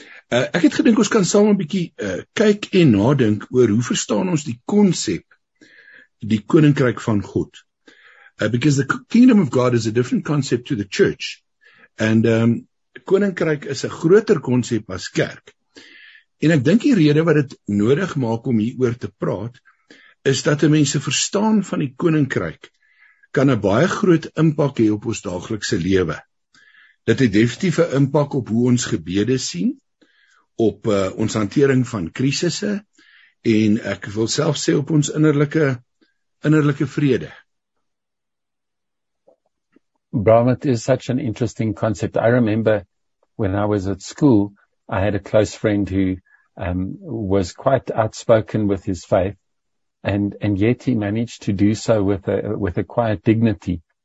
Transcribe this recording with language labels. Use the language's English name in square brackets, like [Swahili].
[Afrikaans] Ek het gedink ons kan saam 'n bietjie kyk en nadink oor hoe verstaan ons die konsep die koninkryk van God. [English] Because the kingdom of God is a different concept to the church. [Afrikaans] And koninkryk is 'n groter konsep as kerk. En ek dink die rede wat dit nodig maak om hieroor te praat is dat mense verstaan van die koninkryk kan 'n baie groot impak hê op ons daaglikse lewe. Dit het definitief 'n impak op hoe ons gebede sien, op ons hantering van krisisse, en ek wil self sê op ons innerlike vrede. [English] Bram, it is such an interesting concept. I remember when I was at school, I had a close friend who was quite outspoken with his faith, and yet he managed to do so with a quiet dignity.